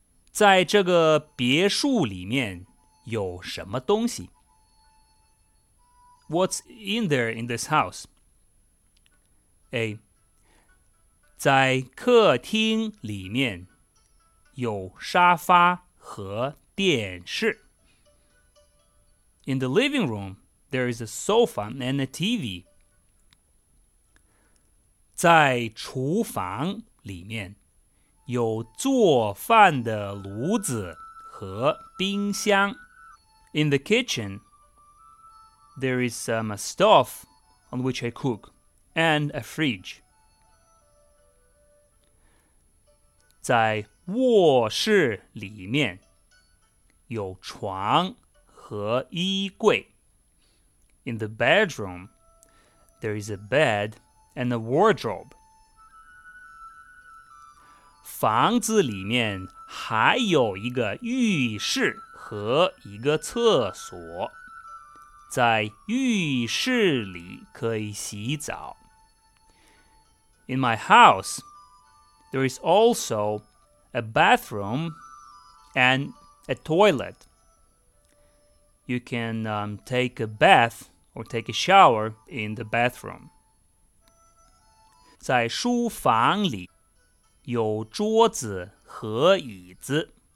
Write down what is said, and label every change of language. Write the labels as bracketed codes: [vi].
[zh] 在这个别墅里面有什么东西？ [en] What's in there in this house? A. [zh] 在客厅里面有沙发和电视。 [en] In the living room, there is a sofa and a TV. [zh] 在厨房里面有做饭的炉子和冰箱。 [en] In the kitchen, there is a stove on which I cook and a fridge. [zh] 在卧室里面有床和衣柜。 [en] In the bedroom, there is a bed and a wardrobe. [zh] 房子里面还有一个浴室和一个厕所。在浴室里可以洗澡。 [en] In my house, there is also a bathroom and a toilet. You can take a bath or take a shower in the bathroom. [zh] 在书房里有桌子和椅子。